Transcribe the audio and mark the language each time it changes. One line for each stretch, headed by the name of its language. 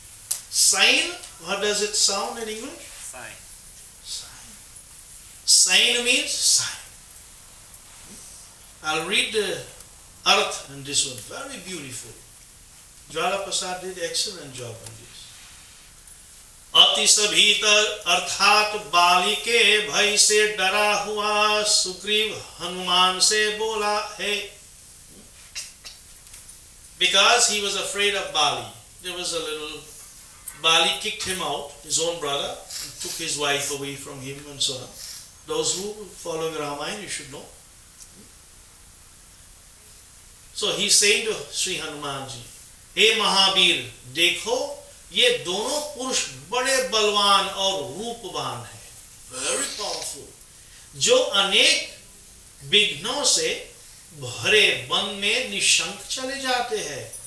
English: Sign, what does it sound in English? Sign. Sign. Sign means sign. I'll read the arth in this one. Very beautiful. Jwala Prasad did excellent job on this.
Hindi: अति सभीत अर्थात बालिके भय से डरा हुआ सुग्रीव हनुमान से बोला है
English: because he was afraid of Bali. There was a little Bali kicked him out, his own brother, and took his wife away from him and so on. Those who follow Ramayana, you should know. So he said to Sri Hanumanji, hey Mahabir,
Hindi: dekho ये दोनों पुरुष बड़े बलवान और रूपवान हैं,
English: very powerful,
Hindi: जो अनेक विघ्नों से भरे वन में निशंक चले जाते हैं.